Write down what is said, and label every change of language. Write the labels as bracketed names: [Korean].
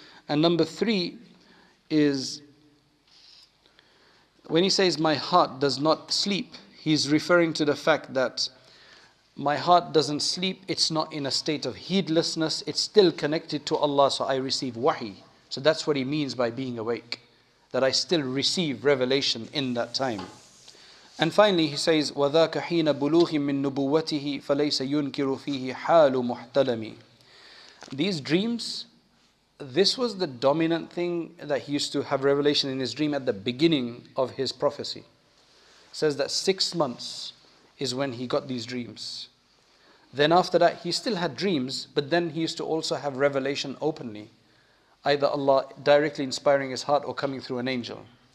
[English] And number three is, when he says my heart does not sleep, he's referring to the fact that my heart doesn't sleep, it's not in a state of heedlessness, it's still connected to Allah, so I receive wahi. So that's what he means by being awake, that I still receive revelation in that time. And finally, he says, [Arabic] وَذَاكَ حِينَ بُلُوغٍ مِّن نُبُوَّتِهِ فَلَيْسَ يُنْكِرُ فِيهِ حَالُ مُحْتَلَمِ. [English] These dreams, this was the dominant thing, that he used to have revelation in his dream at the beginning of his prophecy. It says that 6 months is when he got these dreams. Then after that, he still had dreams, but then he used to also have revelation openly, either Allah directly inspiring his heart or coming through an angel.